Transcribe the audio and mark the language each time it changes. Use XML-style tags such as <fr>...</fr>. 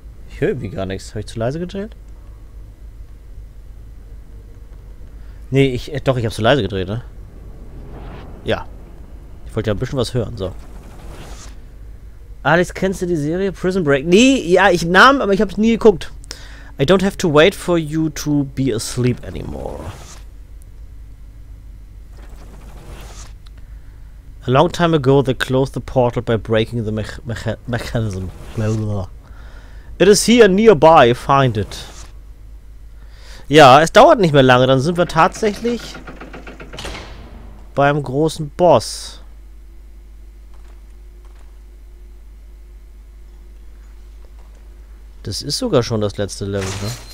<de>Ich höre irgendwie gar nichts. Habe ich zu leise gedreht? Nee, ich. Doch, ich habe zu leise gedreht, ne? Ja. Ich wollte ja ein bisschen was hören, so. Alex, kennst du die Serie Prison Break? Nee, ja, ich nahm, aber ich habe es nie geguckt.</de> <en>I don't have to wait for you to be asleep anymore. A long time ago, they closed the portal by breaking the mechanism. Blah, blah, blah. It is here nearby, find it.</en> <de>Ja, es dauert nicht mehr lange, dann sind wir tatsächlich beim großen Boss. Das ist sogar schon das letzte Level, ne?</de>